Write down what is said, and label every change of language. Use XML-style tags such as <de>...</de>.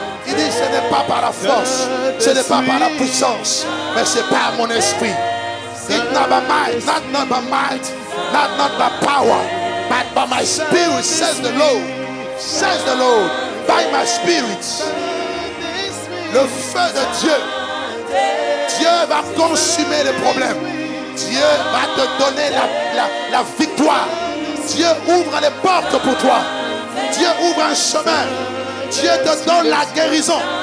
<fr>Il dit, ce n'est pas par la force, ce n'est pas par la puissance, mais c'est par mon esprit.</fr> <en>It's not by might, not by power, but by my spirit, says the Lord, by my spirit.</en> <fr>Le feu de Dieu, Dieu va consumer les problèmes. Dieu va te donner la victoire. Dieu ouvre les portes pour toi. Dieu ouvre un chemin. Dieu te donne la guérison.</fr>